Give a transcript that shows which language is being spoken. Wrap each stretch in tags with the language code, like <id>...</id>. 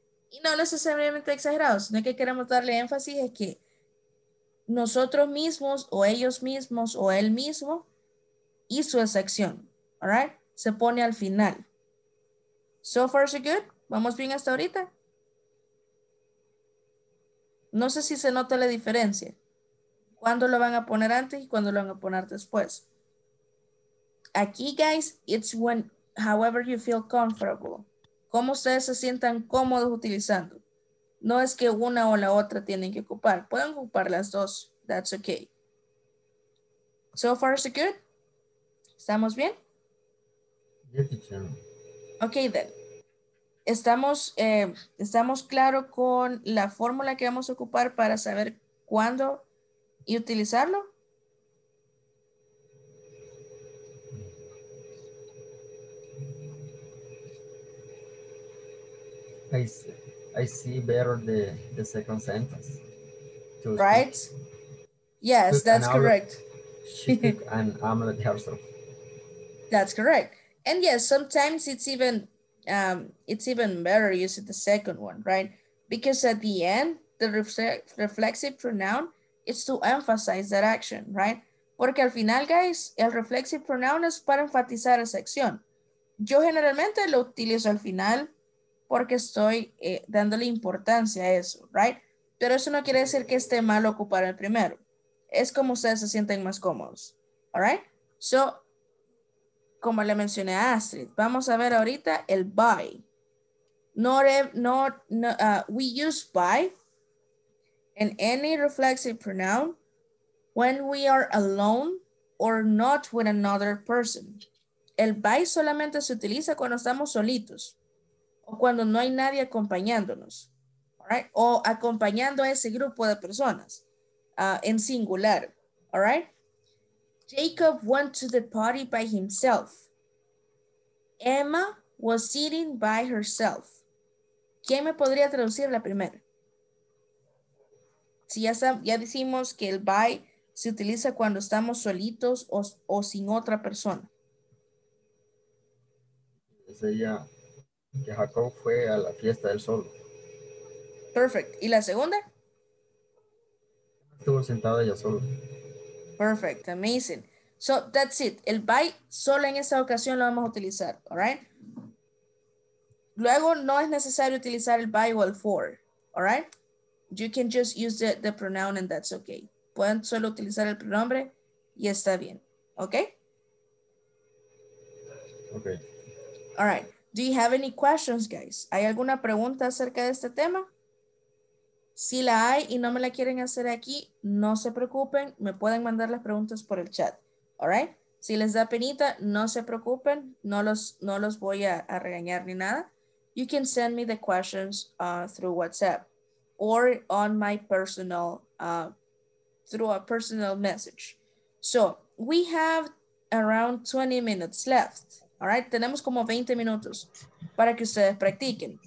<es>Y no necesariamente exagerados, sino que queremos darle énfasis en que nosotros mismos o ellos mismos o él mismo hizo esa acción.</es> <en>All right?</en> <es>Se pone al final.</es> <en>So far so good.</en> <es>¿Vamos bien hasta ahorita? No sé si se nota la diferencia. ¿Cuándo lo van a poner antes y cuándo lo van a poner después? Aquí,</es> <en>guys, it's when, however you feel comfortable.</en> <es>Cómo ustedes se sientan cómodos utilizando. No es que una o la otra tienen que ocupar. Pueden ocupar las dos.</es> <en>That's okay. So far, so good?</en> <es>¿Estamos bien?</es> <en>Yes, teacher. Okay, then.</en> <es>Estamos claro con la fórmula que vamos a ocupar para saber cuándo y utilizarlo.</es> <en>I see better the second sentence. Right? Speak. Yes, that's correct. She took an omelet herself. That's correct. And yes, sometimes it's even better using the second one, right? Because at the end, the reflexive pronoun is to emphasize that action, right?</en> <es>Porque al final, guys, el reflexive pronoun es para enfatizar esa acción. Yo generalmente lo utilizo al final porque estoy dándole importancia a eso, right? Pero eso no quiere decir que esté mal ocupar el primero. Es como ustedes se sienten más cómodos, all right? So, como le mencioné a Astrid, vamos a ver ahorita el by.</es> <en>We use by in any reflexive pronoun when we are alone or not with another person.</en> <es>El by solamente se utiliza cuando estamos solitos o cuando no hay nadie acompañándonos, all right? O acompañando a ese grupo de personas en singular, all right?</es> <en>Jacob went to the party by himself. Emma was sitting by herself.</en> <es>¿Quién me podría traducir la primera? Si ya decimos que el by se utiliza cuando estamos solitos o sin otra persona. Sería que Jacob fue a la fiesta del solo. Perfect. ¿Y la segunda? Estuvo sentado ella solo.</es> <en>Perfect. Amazing. So that's it.</en> <es>El by solo en esta ocasión lo vamos a utilizar, all right? Luego no es necesario utilizar el by o el for, all right?</es> <en>You can just use the pronoun and that's okay.</en> <es>Pueden solo utilizar el pronombre y está bien, okay?</es> <en>Okay. All right. Do you have any questions, guys?</en> <es>¿Hay alguna pregunta acerca de este tema? Si la hay y no me la quieren hacer aquí, no se preocupen. Me pueden mandar las preguntas por el chat. All right. Si les da penita, no se preocupen, no los voy a regañar ni nada.</es> <en>You can send me the questions through WhatsApp or on my personal, through a personal message. So we have around 20 minutes left. All right.</en> <es>Tenemos como 20 minutos para que ustedes practiquen.</es>